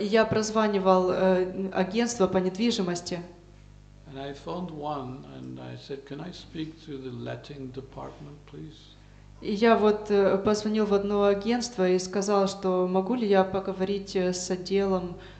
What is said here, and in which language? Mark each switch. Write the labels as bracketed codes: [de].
[ru] И я прозванивал агентство по недвижимости. [en] And I phoned one, and I said, "Can I speak to the letting department, please?" [ru] И я вот позвонил в одно агентство и сказал, что могу ли я поговорить с отделом.